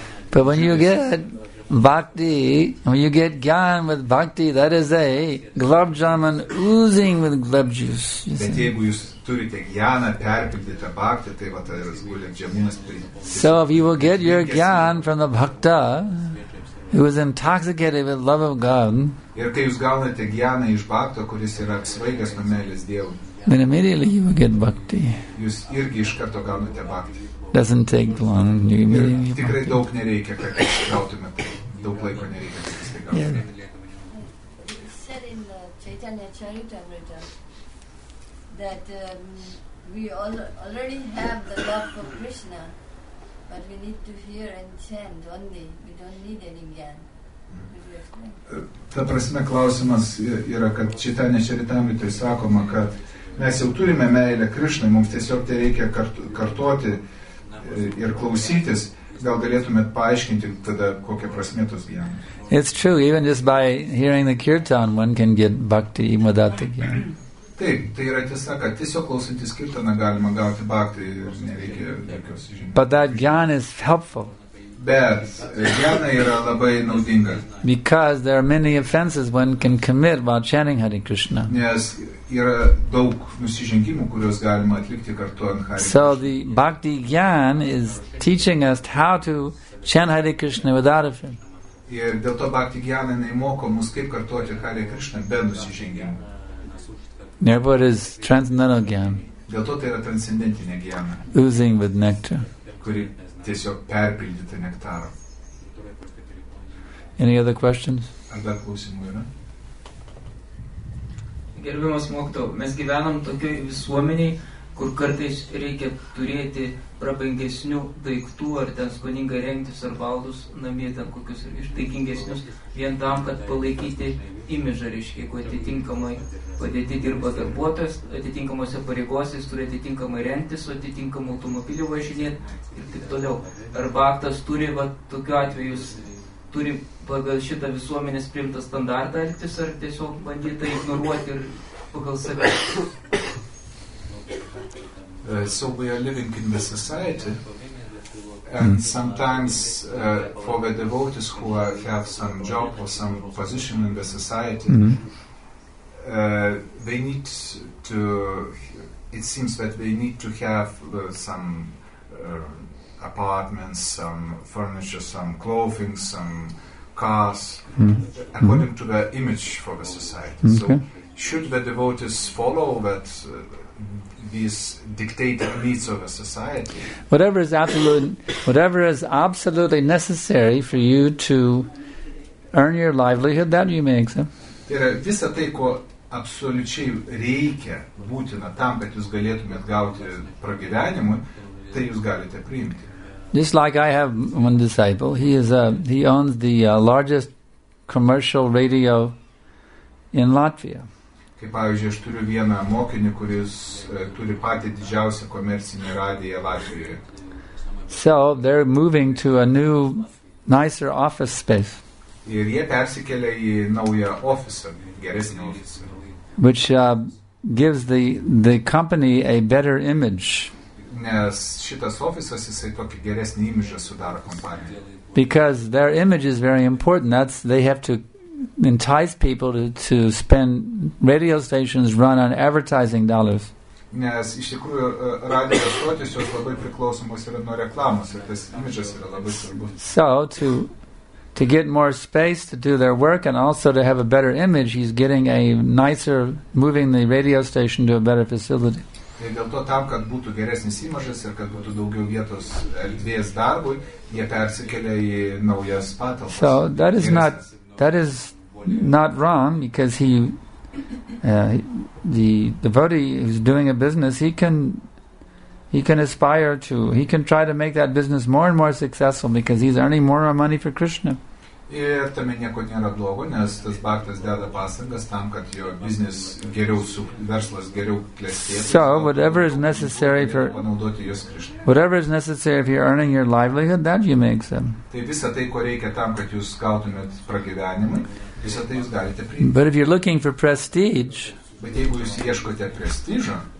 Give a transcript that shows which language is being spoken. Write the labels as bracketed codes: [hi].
[en] But when you get bhakti, when you get gyan with bhakti, that is a gulab jamun oozing with gulab juice. So if you will get your gyan from the bhakta, He was intoxicated with love of God. [lt] Ir kai jūs gaunate gyaną iš bakto, kuris yra apsvaigęs nuo meilės Dievui. [en] Then immediately you will get bhakti. [lt] Jūs irgi iš karto gaunate bhakti. [en] Doesn't take long. You immediately get bhakti. [lt] Tikrai daug nereikia, kad gautumėte. Daug laiko nereikia, kad jūs tai gautumėte. [en] Yeah. That we already have the love for Krishna, but we need to hear and chant only. We don't need any gyan. [lt] Ta prasme, klausimas yra, kad Čaitanya Čaritamritoj sakoma, kad mes jau turime meilę Krishnai, mums tiesiog tai reikia kartoti ir klausytis. Gal galėtumėt paaiškinti tada, kokia prasmė tos gyan. [en] It's true, even just by hearing the kirtan, one can get bhakti without the gyan. [lt] Taip, tai yra tiesa, kad tiesiog klausantis kirtaną galima gauti bhakti ir nereikia jokios žinių. [en] But that gyan is helpful. [lt] Bet gyana yra labai naudinga. [en] Because there are many offenses one can commit while chanting Hare Krishna. [lt] Nes yra daug nusižengimų, kuriuos galima atlikti kartu ant Hare Krishna. [en] So the bhakti gyan is teaching us how to chant Hare Krishna without offense. [lt] Ir dėl to bhakti gyana neįmoko mus kaip kartuoti Hare Krishna be nusižengimų. [en] Therefore it is transcendental gyan. [lt] Dėl to tai yra transcendentinė gyana. [en] Oozing with nectar. [lt] Kuri tiesiog perpildyta nektaro. [en] Any other questions? [lt] Ar dar klausimų yra? Gerbiamas mokytojau, mes gyvenam tokioj visuomenėj, kur kartais reikia turėti prabangesnių daiktų, ar ten skoningai rengtis, ar baldus namie, ten kokius ištaigingesnius, vien tam, kad palaikyti imidžą, reiškiai, kuo atitinkamai padėti dirba darbuotojas, atitinkamose pareigose jis turi atitinkamai rengtis, atitinkamą automobilį važinėti ir taip toliau. Ar baktas turi, va, tokiu atveju, turi pagal šitą visuomenės priimtą standartą elgtis, ar tiesiog bandyti tai ignoruoti ir pagal save? [en] So we are living in the society, and sometimes for the devotees who have some job or some position in the society, they need to, it seems that they need to have some apartments, some furniture, some clothing, some cars, according to the image for the society. Okay. So should the devotees follow that these dictated needs of a society? Whatever is absolute, whatever is absolutely necessary for you to earn your livelihood, that you may accept. [lt] Tai yra visa tai, ko absoliučiai reikia, būtina tam, kad jūs galėtumėt gauti pragyvenimui, tai jūs galite priimti. [en] Just like I have one disciple, he owns the largest commercial radio in Latvia. [lt] Kaip pavyzdžiui, aš turiu vieną mokinį, kuris turi patį didžiausią komercinį radiją Latvijoje. [en] So, they're moving to a new, nicer office space. [lt] Ir jie persikelia į naują ofisą, geresnį ofisą. [en] Which gives the company a better image. [lt] Nes šitas ofisas, jisai tokį geresnį imidžą sudaro kompanijai. [en] Because their image is very important, that's, they have to entice people to spend radio stations run on advertising dollars. [lt] Nes iš tikrųjų radijo stotis jos labai priklausomos yra nuo reklamos ir tas imidžas yra labai svarbus. [en] So to get more space to do their work and also to have a better image, he's getting a nicer, moving the radio station to a better facility. [lt] Ir dėl to tam, kad būtų geresnis imidžas ir kad būtų daugiau vietos erdvės darbui, jie persikelia į naujas patalpas. [en] So that is not wrong, because he, the devotee who's doing a business, he can aspire to, he can try to make that business more and more successful, because he's earning more money for Krishna. [lt] Ir tame nieko nėra blogo, nes tas bhaktas deda pastangas tam, kad jo business geriau su, verslas geriau klestėtų. [en] So, whatever is necessary for, you're earning your livelihood, that you may accept. [lt] Tai visa tai, ko reikia tam, kad jūs gautumėt pragyvenimą, visa tai jūs galite priimti. [en] But if you're looking for prestige, [lt] bet jeigu jūs ieškote prestižo,